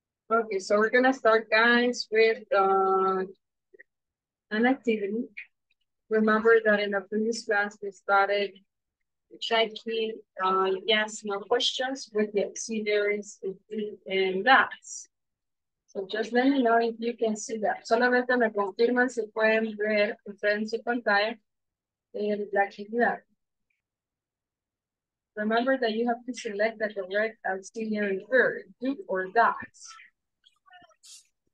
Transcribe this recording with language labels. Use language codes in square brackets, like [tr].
[en] Okay, so we're gonna start, guys, with an activity. Remember that in the previous class we started checking yes, no questions with the auxiliaries and that. So just let me know if you can see that. [es] Solamente me confirman si pueden ver en su pantalla en la actividad. [en] Remember that you have to select the correct auxiliary verb, do or does.